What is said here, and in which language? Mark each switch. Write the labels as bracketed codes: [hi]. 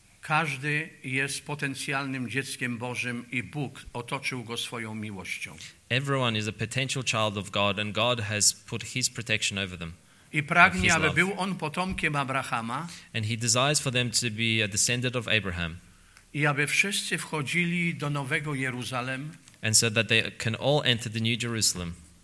[pl] Każdy jest potencjalnym dzieckiem Bożym i Bóg otoczył go swoją miłością. [en] Everyone is a potential child of God and God has put His protection over them. [pl] I pragnie, aby był on potomkiem Abrahama. [en] And He desires for them to be a descendant of Abraham. [pl] I aby wszyscy wchodzili do Nowego Jeruzalem. [en] And so that they can all enter the New Jerusalem.